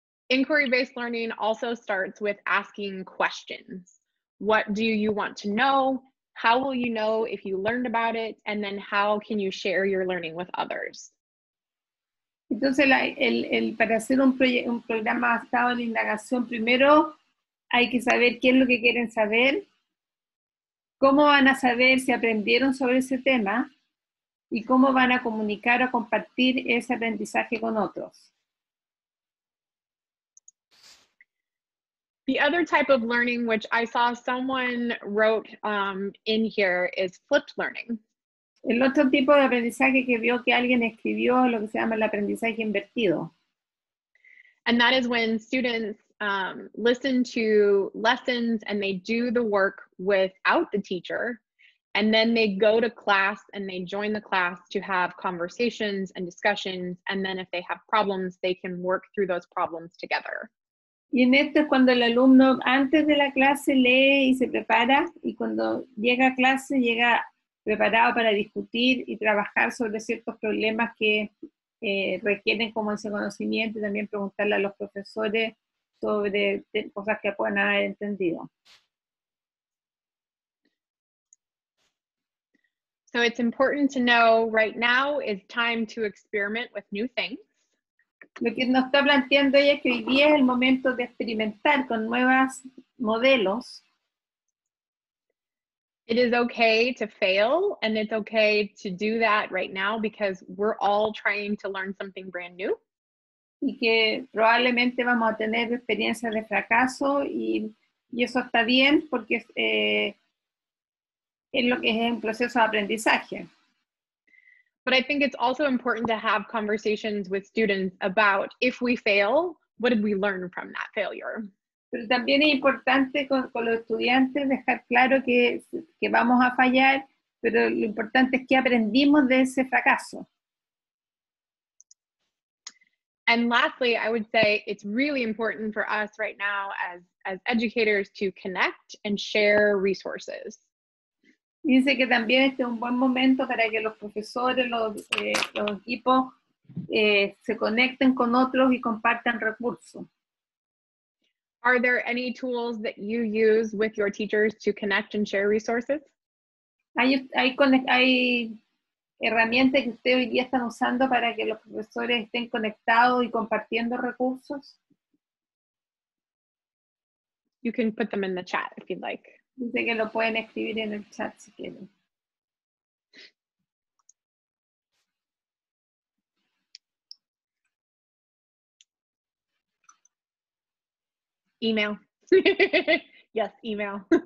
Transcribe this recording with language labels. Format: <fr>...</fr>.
<en>Inquiry-based learning also starts with asking questions. What do you want to know? How will you know if you learned about it? And then how can you share your learning with others?</en> <es>Entonces, para hacer un programa basado en indagación, primero hay que saber qué es lo que quieren saber, cómo van a saber si aprendieron sobre ese tema, y cómo van a comunicar o compartir ese aprendizaje con otros.</es> <en>The other type of learning, which I saw someone wrote in here, is flipped learning.</en> <es>El otro tipo de aprendizaje que vio que alguien escribió, lo que se llama el aprendizaje invertido.</es> <en>And that is when students listen to lessons and they do the work without the teacher, and then they go to class and they join the class to have conversations and discussions, and then if they have problems, they can work through those problems together.</en> <es>Y en esto es cuando el alumno antes de la clase lee y se prepara, y cuando llega a clase llega preparado para discutir y trabajar sobre ciertos problemas que requieren como ese conocimiento, y también preguntarle a los profesores sobre cosas que puedan haber entendido.</es> <en>So it's important to know right now is time to experiment with new things.</en> <es>Lo que nos está planteando ella es que hoy día es el momento de experimentar con nuevos modelos.</es> <en>It is okay to fail, and it's okay to do that right now because we're all trying to learn something brand new.</en> <es>Y que probablemente vamos a tener experiencias de fracaso, y eso está bien porque es lo que es un proceso de aprendizaje.</es> <en>But I think it's also important to have conversations with students about if we fail, what did we learn from that failure?</en> <es>Pero también es importante con los estudiantes dejar claro que vamos a fallar, pero lo importante es que aprendimos de ese fracaso.</es> <en>And lastly, I would say it's really important for us right now as educators to connect and share resources.</en> <es>Dice que también este es un buen momento para que los profesores, los equipos, se conecten con otros y compartan recursos.</es> <en>Are there any tools that you use with your teachers to connect and share resources?</en> <es>¿Hay herramientas que ustedes hoy día están usando para que los profesores estén conectados y compartiendo recursos?</es> <en>You can put them in the chat if you'd like.</en> <es>Dice que lo pueden escribir en el chat si quieren.</es> <en>Email. Yes, email.</en>